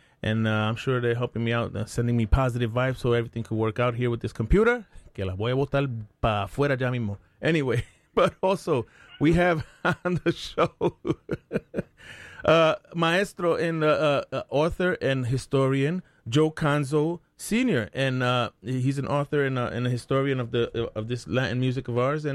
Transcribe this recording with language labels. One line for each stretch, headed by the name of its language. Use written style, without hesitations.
English: And I'm sure they're helping me out, sending me positive vibes so everything could work out here with this computer.
Spanish: Que la voy a botar para afuera ya mismo.
English: Anyway, but also, we have on the show Maestro and author and historian, Joe Canzo Sr. And he's an author and a historian of this Latin music of ours.